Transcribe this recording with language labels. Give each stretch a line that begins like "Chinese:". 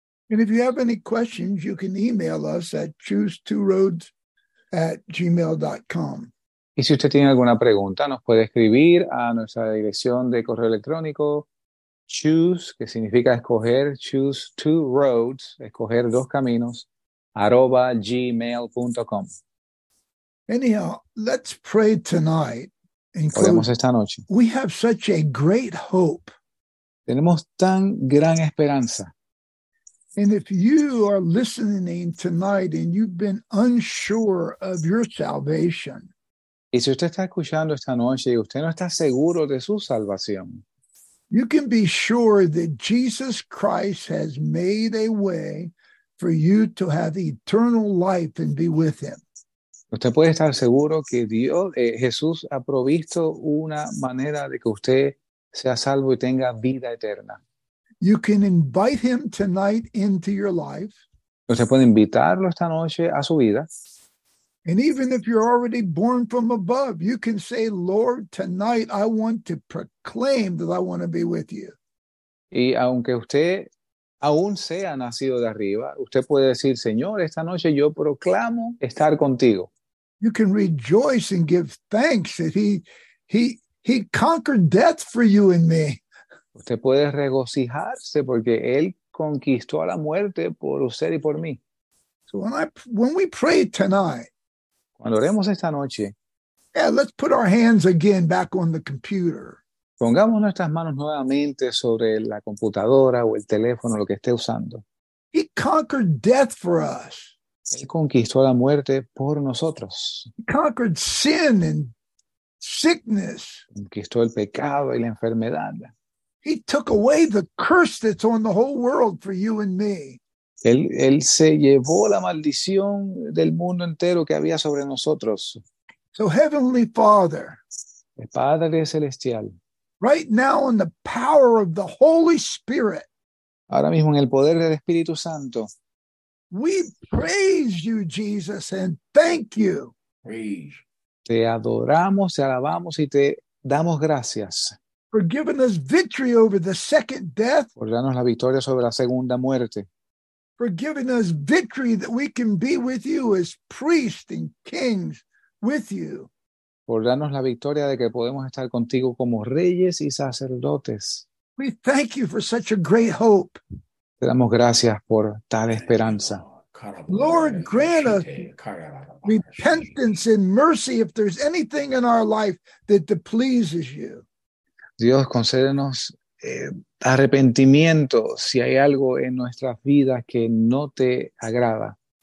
English: And if you have any questions, you can email us at choosetworoads@gmail.com.
Spanish: Y si usted tiene alguna pregunta, nos puede escribir a nuestra dirección de correo electrónico choose, que significa escoger,
English: choose two roads,
Spanish: escoger dos caminos, @gmail.com.
English: Anyhow, let's pray tonight.
Spanish: Oremos esta noche.
English: We have such a great hope.
Spanish: Tenemos tan gran esperanza.
English: And if you are listening tonight and you've been unsure of your salvation.
Spanish: Y si usted está escuchando esta noche y usted no está seguro de su salvación.
English: You can be sure that Jesus Christ has made a way for you to have eternal life and be with him.
Spanish: Usted puede estar seguro que Dios, Jesús ha provisto una manera de que usted sea salvo y tenga vida eterna.
English: You can invite him tonight into your life.
Spanish: Usted puede invitarlo esta noche a su vida.
English: And even if you're already born from above, you can say, Lord, tonight I want to proclaim that I want to be with you.
Spanish: Y aunque usted aún sea nacido de arriba, usted puede decir, Señor, esta noche yo proclamo estar contigo.
English: You can rejoice and give thanks that he conquered death for you and me.
Spanish: Usted puede regocijarse porque él conquistó a la muerte por usted y por mí.
English: So when we pray tonight,
Spanish: cuando oremos esta noche,
English: yeah, let's put our hands again back on the computer.
Spanish: Pongamos nuestras manos nuevamente sobre la computadora o el teléfono, lo que esté usando.
English: He conquered death for us.
Spanish: Él conquistó la muerte por nosotros.
English: He conquered sin and sickness.
Spanish: Conquistó el pecado y la enfermedad.
English: He took away the curse that's on the whole world for you and me.
Spanish: Él se llevó la maldición del mundo entero que había sobre nosotros.
English: So, Heavenly Father,
Spanish: el Padre Celestial,
English: right now in the power of the Holy Spirit,
Spanish: ahora mismo en el poder del Espíritu Santo,
English: we praise you, Jesus, and thank you. Praise.
Spanish: Te adoramos, te alabamos y te damos gracias.
English: For giving us victory over the second death.
Spanish: Por darnos la victoria sobre la segunda muerte.
English: For giving us victory that we can be with you as priests and kings with you.
Spanish: Por darnos la victoria de que podemos estar contigo como reyes y sacerdotes.
English: We thank you for such a great hope.
Spanish: Te damos gracias por tal esperanza.
English: Lord, grant us repentance and mercy if there's anything in our life that displeases you.
Spanish: Dios, concédenos arrepentimiento si hay algo en nuestras vidas que no te agrada.